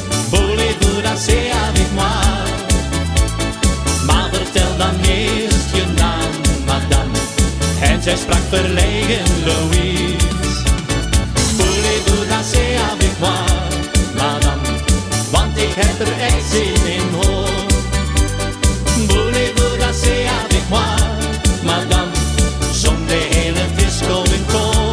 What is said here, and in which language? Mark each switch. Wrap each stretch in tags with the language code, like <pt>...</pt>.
<fr>Voulez-vous danser avec moi?</fr> <nl>Maar vertel dan eerst je naam, madame. En zij sprak verlegen, Louise.</nl> <fr>Voulez-vous danser avec moi, madame?</fr> <nl>Want ik heb er echt zin in, hoor.</nl> <fr>Voulez-vous danser avec moi, madame?</fr> <nl>Zong de hele disco in koor.</nl>